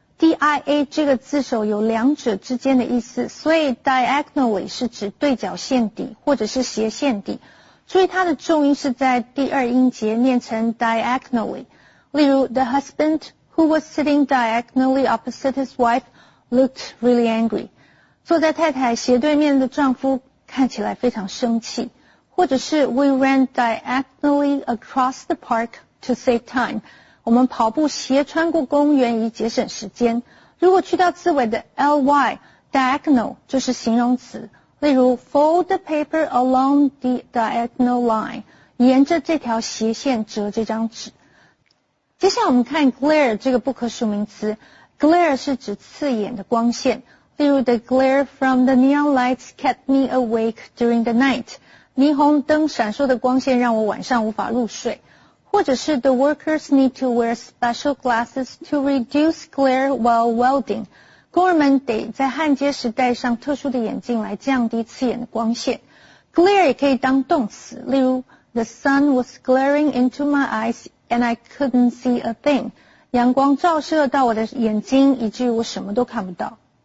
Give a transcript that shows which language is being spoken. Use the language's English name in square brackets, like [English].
[Chinese] DIA 这个字首有两者之间的意思，所以 diagonally 是指对角线底或者是斜线底。注意它的重音是在第二音节，念成 diagonally。例如 [English] ,the husband who was sitting diagonally opposite his wife looked really angry. [Chinese] 坐在太太斜对面的丈夫看起来非常生气。或者是 [English] ,we ran diagonally across the park to save time. [Chinese] 我们跑步斜穿过公园以节省时间。如果去掉字尾的 ly, diagonal 就是形容词。例如 [English] ,fold the paper along the diagonal line, [Chinese] 沿着这条斜线折这张纸。接下来我们看 glare 这个不可数名词。glare 是指刺眼的光线。例如 [English] ,the glare from the neon lights kept me awake during the night. [Chinese] 霓虹灯闪烁的光线让我晚上无法入睡。或者是 [English] ,the workers need to wear special glasses to reduce glare while welding. [Chinese] 工人们得在焊接时戴上特殊的眼镜来降低刺眼的光线。 [English] Glare [Chinese] 也可以当动词，例如 [English] ,the sun was glaring into my eyes and I couldn't see a thing. [Chinese] 阳光照射到我的眼睛以至于我什么都看不到。